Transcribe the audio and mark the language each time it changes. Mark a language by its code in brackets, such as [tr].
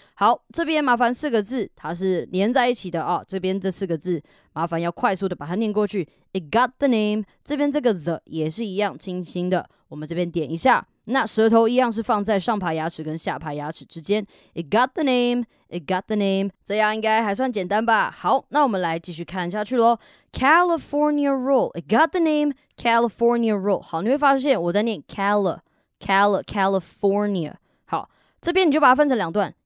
[zh] 好，这边麻烦四个字，它是连在一起的啊。这边这四个字麻烦要快速的把它念过去. [en] It got the name. [zh] 这边这个 the 也是一样，轻轻的，我们这边点一下。那舌头一样是放在上排牙齿跟下排牙齿之间。 [en] It got the name, it got the name. [zh] 这样应该还算简单吧。好，那我们来继续看下去咯。 [en] California Roll, it got the name California Roll. [zh] 好，你会发现我在念 California. 好，这边你就把它分成两段。